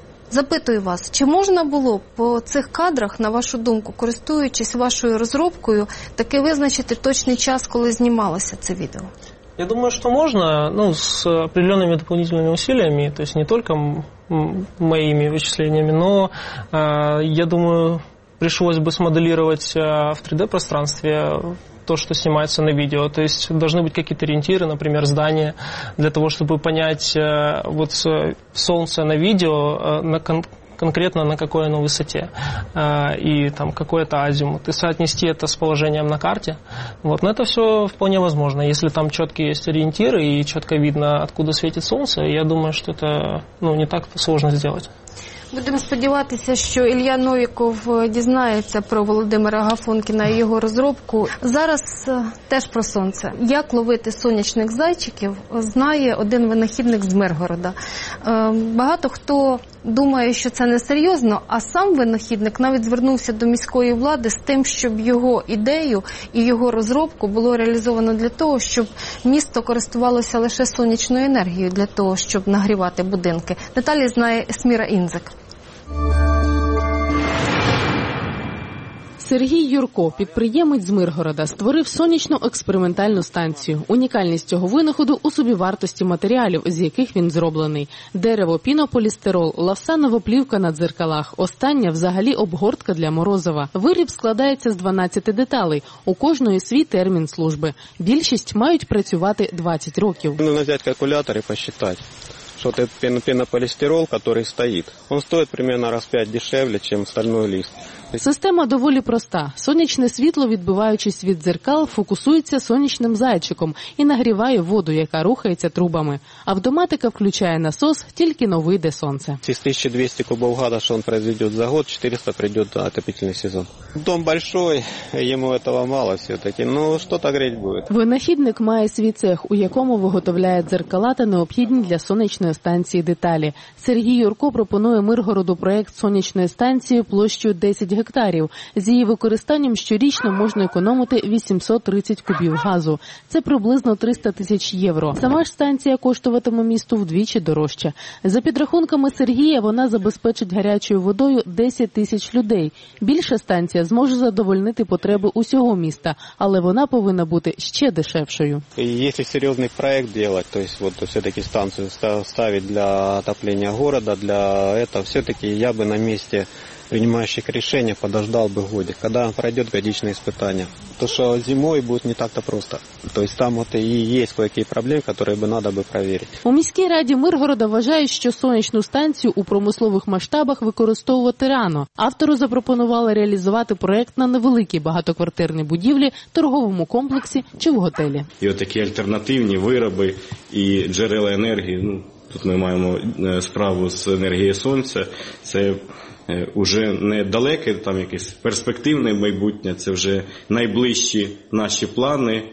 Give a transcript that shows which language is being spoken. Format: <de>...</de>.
<uk>Запитую вас, чи можна було по цих кадрах, на вашу думку, користуючись вашою розробкою, таки визначити точний час, коли знімалося це відео? Я думаю, що можна, ну, з определенними дополнительними усиллями, тобто не тільки моїми вичисленнями, але, я думаю, прийшлося б смоделувати в 3D-пространстві</uk> <ru>то, что снимается на видео. То есть должны быть какие-то ориентиры, например, здание, для того, чтобы понять вот солнце на видео, конкретно на какой оно высоте, и там какой-то азимут, и соотнести это с положением на карте. Вот. Но это все вполне возможно. Если там четкие есть ориентиры и четко видно, откуда светит солнце, я думаю, что это, ну, не так сложно сделать.</ru> <uk>Будемо сподіватися, що Ілля Новіков дізнається про Володимира Агафонкіна і його розробку. Зараз теж про сонце. Як ловити сонячних зайчиків, знає один винахідник з Миргорода. Багато хто думає, що це не серйозно, а сам винахідник навіть звернувся до міської влади з тим, щоб його ідею і його розробку було реалізовано для того, щоб місто користувалося лише сонячною енергією для того, щоб нагрівати будинки. Деталі знає Сміра Інзик. Сергій Юрко, підприємець з Миргорода, створив сонячну експериментальну станцію. Унікальність цього винаходу у собівартості матеріалів, з яких він зроблений. Дерево, пінополістирол, лавсанова плівка на дзеркалах, остання взагалі обгортка для морозива. Виріб складається з 12 деталей, у кожної свій термін служби. Більшість мають працювати 20 років. Можна взяти калькулятор і посчитати.</uk> <ru>Вот этот пенополистирол, который стоит, он стоит примерно раз в 5 дешевле, чем стальной лист.</ru> <uk>Система доволі проста. Сонячне світло, відбиваючись від дзеркал, фокусується сонячним зайчиком і нагріває воду, яка рухається трубами. Автоматика включає насос, тільки-но вийде сонце. Із 1200 кубов газу, що він произведе за год, 400 прийде на отопительний сезон.</uk> <ru>Дом большой,</ru> <uk>йому цього мало все-таки, ну, що-то гріти буде. Винахідник має свій цех, у якому виготовляє дзеркала та необхідні для сонячної станції деталі. Сергій Юрко пропонує Миргороду проєкт сонячної станції площею 10 гектарів. З її використанням щорічно можна економити 830 кубів газу. Це приблизно 300 тисяч євро. Сама ж станція коштуватиме місту вдвічі дорожче. За підрахунками Сергія, вона забезпечить гарячою водою 10 тисяч людей. Більша станція зможе задовольнити потреби усього міста, але вона повинна бути ще дешевшою. Якщо серйозний проєкт робити, тобто от все-таки станцію ставити для отоплення міста, для цього, все-таки я би на місці</uk> <ru>принимающих решения, подождал бы годик, когда он пройдет годичные испытания. То, что зимой будет не так-то просто. То есть там вот и есть кое-какие проблемы, которые бы надо бы проверить.</ru> <uk>У міській раді Миргорода вважають, що сонячну станцію у промислових масштабах використовувати рано. Автору запропонували реалізувати проект на невеликій багатоквартирній будівлі, торговому комплексі чи в готелі. І от такі альтернативні вироби і джерела енергії, ну, тут ми маємо справу з енергією сонця, це вже не далеке, там якесь перспективне майбутнє, це вже найближчі наші плани.</uk>